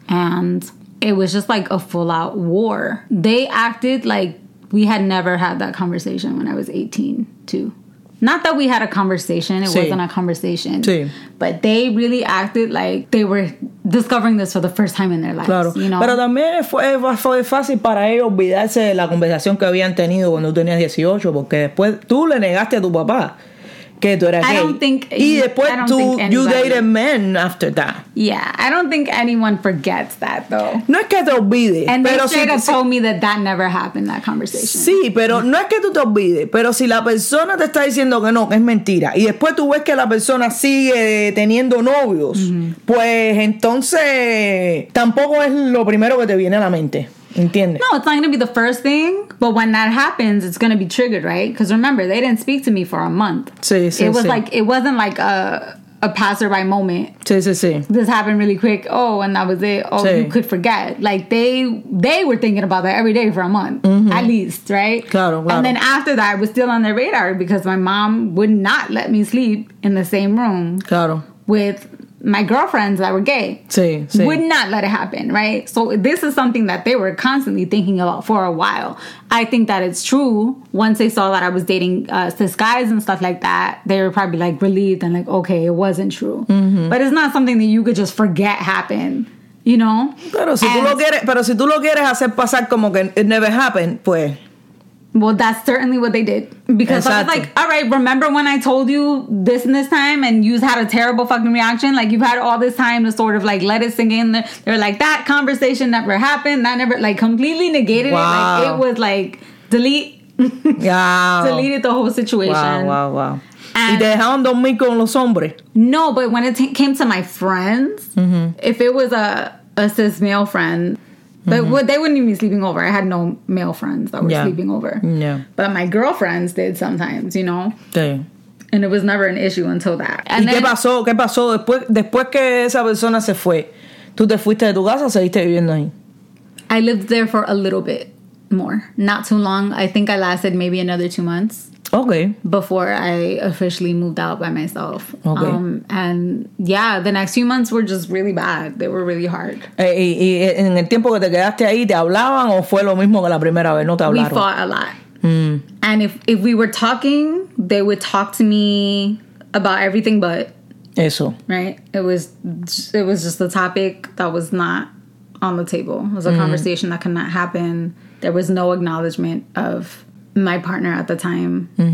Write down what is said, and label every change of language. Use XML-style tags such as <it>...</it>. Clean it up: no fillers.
<en>And it was just like a full-out war. They acted like we had never had that conversation when I was 18, too. Not that we had a conversation. It</en> <es>sí.</es> <en>Wasn't a conversation.</en> <es>Sí.</es> <en>But they really acted like they were discovering this for the first time in their lives.</en> <es>Claro.</es> <en>You know?</en> <es>Pero también fue fácil para ellos olvidarse de la conversación que habían tenido cuando tenías 18. Porque después tú le negaste a tu papá. que tú eras gay. Y después,</es> <en>you dated men after that. Yeah, I don't think anyone forgets that, though.</en> <es>No es que te olvides.</es> <en>And pero they should have told me that that never happened, that conversation.</en> <es>Sí, pero no es que tú te olvides. Pero si la persona te está diciendo que no, que es mentira, y después tú ves que la persona sigue teniendo novios, mm-hmm. pues entonces tampoco es lo primero que te viene a la mente. ¿Entiendes?</es> <en>No, it's not going to be the first thing, but when that happens, it's going to be triggered, right? Because remember, they didn't speak to me for a month. It wasn't like a passerby moment. This happened really quick. Oh, and that was it. Oh, you could forget. Like, they were thinking about that every day for a month, mm-hmm. at least, right?</en> <es>Claro.</es> <en>And then after that, I was still on their radar because my mom would not let me sleep in the same room with my girlfriends that were gay would not let it happen, right? So this is something that they were constantly thinking about for a while. I think that it's true. Once they saw that I was dating cis guys and stuff like that, they were probably like relieved and like, okay, it wasn't true. Mm-hmm. But it's not something that you could just forget happened. You know?</en> <es>Pero si tú lo quieres hacer pasar como que</es> <en>it never happened,</en> <es>pues...</es> <en>Well, that's certainly what they did. Because exactly. I was like, all right, remember when I told you this and this time and you had a terrible fucking reaction? Like, you've had all this time to sort of, like, let it sink in. They're like, that conversation never happened. That never, like, completely negated wow. it. Like, it was, like, delete. Wow. Deleted the whole situation. Wow.</en> <es>Y dejaron dormir con los hombres.</es> <en>No, but when it came to my friends, mm-hmm. if it was a cis male friend... But mm-hmm. they wouldn't even be sleeping over. I had no male friends that were sleeping over. Yeah. But my girlfriends did sometimes, you know?</en> <es>Sí.</es> <en>And it was never an issue until that. And</en> <es>¿Y then, qué pasó? Después que esa persona se fue, ¿tú te fuiste de tu casa o seguiste viviendo ahí?</es> <en>I lived there for a little bit more. Not too long. I think I lasted maybe another 2 months. Okay. Before I officially moved out by myself. Okay. And yeah, the next few months were just really bad. They were really hard.</en> <es>¿Y en el tiempo que te quedaste ahí, te hablaban o fue lo mismo que la primera vez? No te hablaron.</es> <en>We fought a lot. Mm. And if we were talking, they would talk to me about everything but.</en> <es>Eso.</es> <en>Right? It was just a topic that was not on the table. It was a conversation that could not happen. There was no acknowledgement of my partner at the time mm-hmm.</en>